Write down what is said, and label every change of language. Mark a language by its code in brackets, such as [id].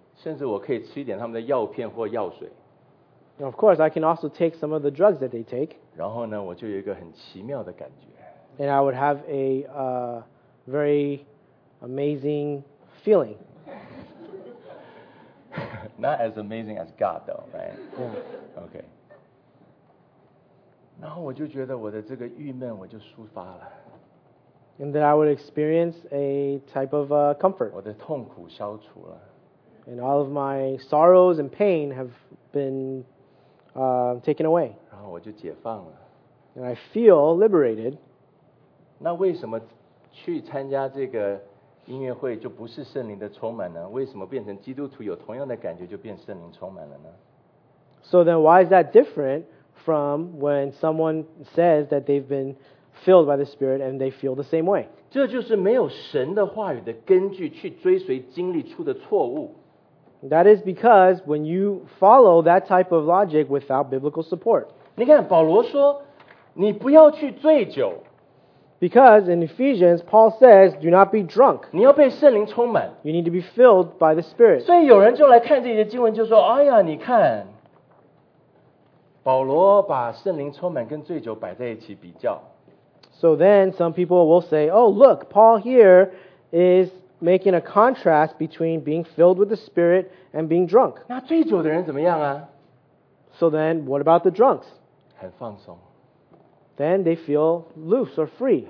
[zh] 甚至我可以吃一点他们的药片或药水。 [en] Of course, I can also take some of the drugs that they take. [zh] 然后呢，我就有一个很奇妙的感觉。 [en] And I would have a very amazing feeling. Not as amazing as God, though, right? Okay. [zh] 然后我就觉得我的这个郁闷我就抒发了。 [en] And then I would experience a type of comfort. [zh] 我的痛苦消除了。 [en] And all of my sorrows and pain have been taken away. [zh] 然后我就解放了。 [en] And I feel liberated. [zh] 那为什么去参加这个音乐会就不是圣灵的充满呢？为什么变成基督徒有同样的感觉就变圣灵充满了呢？ [en] So then why is that different from when someone says that they've been filled by the Spirit and they feel the same way? [zh] 这就是没有神的话语的根据去追随经历出的错误。 [en] That is because when you follow that type of logic without biblical support. [zh] 你看保罗说你不要去醉酒。 [en] Because in Ephesians, Paul says, do not be drunk. [zh] 你要被圣灵充满。 [en] You need to be filled by the Spirit. [zh] 所以有人就来看这些经文就说，哎呀，你看，保罗把圣灵充满跟醉酒摆在一起比较。 [en] So then some people will say, oh look, Paul here is making a contrast between being filled with the Spirit and being drunk. [zh] 那醉酒的人怎么样啊？ [en] So then what about the drunks? [zh] 很放松。 [en] Then they feel loose or free.